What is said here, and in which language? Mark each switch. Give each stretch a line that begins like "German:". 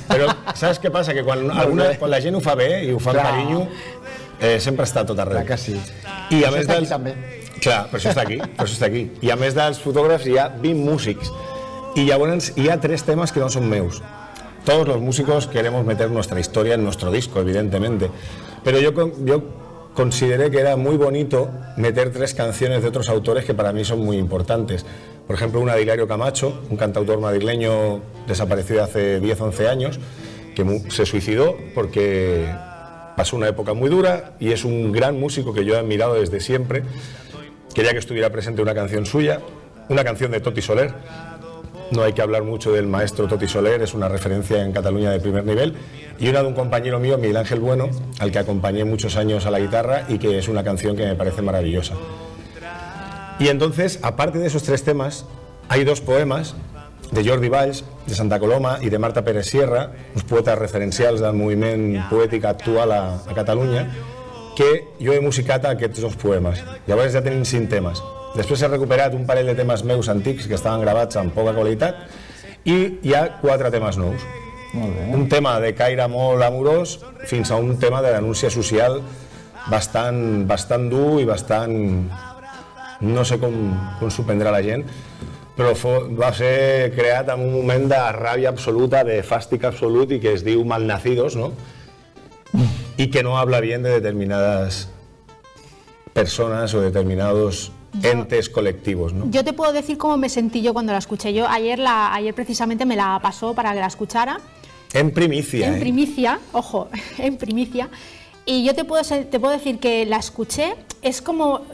Catalan: Però saps què passa? Que quan la gent ho fa bé i ho fa amb carinyo, sempre està tot arreu. Clar que sí. I a més dels... Clar, per això està aquí. I a més dels fotògrafs hi ha 20 músics. I llavors hi ha 3 temes que no són meus.
Spanish: Todos los músicos queremos meter nuestra historia en nuestro disco, evidentemente.
Catalan: Però jo
Spanish: consideré que era muy bonito meter 3 canciones de otros autores que para mí son muy importantes. Por ejemplo, una de Hilario Camacho, un cantautor madrileño desaparecido hace 10-11 años, que se suicidó porque pasó una época muy dura y es un gran músico que yo he admirado desde siempre. Quería que estuviera presente una canción suya, una canción de Toti Soler, No hay que hablar mucho del maestro Toti Soler, es una referencia en Cataluña de primer nivel. Y una de un compañero mío, Miguel Ángel Bueno, al que acompañé muchos años a la guitarra y que es una canción que me parece maravillosa. Y entonces, aparte de esos tres temas, hay dos poemas de Jordi Valls, de Santa Coloma, y de Marta Pérez Sierra, los poetas referenciales del movimiento poético actual a Cataluña, que yo
Catalan: he musicat aquests dos poemes. Llavors ja tenim cinc temes. Després he recuperat un parell de temes meus antics que estaven gravats amb poca qualitat i hi ha quatre temes nous. Molt bé. Un tema de caire molt amorós fins a un tema de denúncia social bastant, bastant dur i bastant... no sé com s'ho prendrà la gent, però va ser creat en un moment de ràbia absoluta, de fàstic absolut i que es diu Malnacidos, no?
Spanish: Y que no habla bien de determinadas personas o determinados entes colectivos, ¿no? Yo te puedo decir cómo me sentí yo cuando la escuché. Yo ayer, ayer precisamente me la pasó para que la escuchara. En primicia. En primicia, ojo, en primicia. Y yo te puedo decir que la escuché, es como...